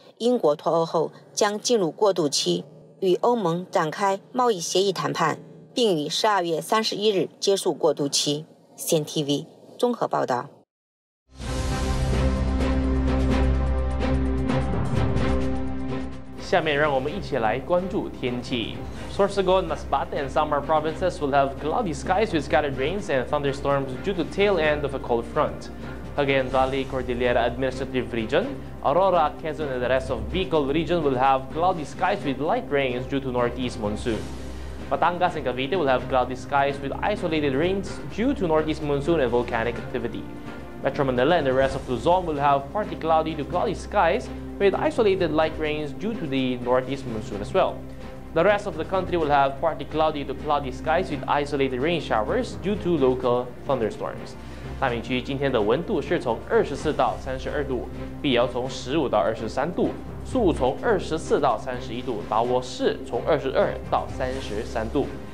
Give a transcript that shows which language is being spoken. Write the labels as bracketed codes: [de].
[zh] 英国脱欧后将进入过渡期，与欧盟展开贸易协议谈判，并于12月31日结束过渡期。 CNTV 综合报道。下面让我们一起来关注天气。 [en] Sources ago in Masbate and Samar provinces will have cloudy skies with scattered rains and thunderstorms due to tail end of a cold front. Cagayan Valley, Cordillera Administrative Region, Aurora, Quezon and the rest of Bicol region will have cloudy skies with light rains due to northeast monsoon. Batangas and Cavite will have cloudy skies with isolated rains due to northeast monsoon and volcanic activity. Metro Manila and the rest of Luzon will have partly cloudy to cloudy skies with isolated light rains due to the northeast monsoon as well. The rest of the country will have partly cloudy to cloudy skies with isolated rain showers due to local thunderstorms. [zh] 大明区今天的温度是从24到32度，碧瑶从15到23度，宿务从24到31度，达沃市从22到33度。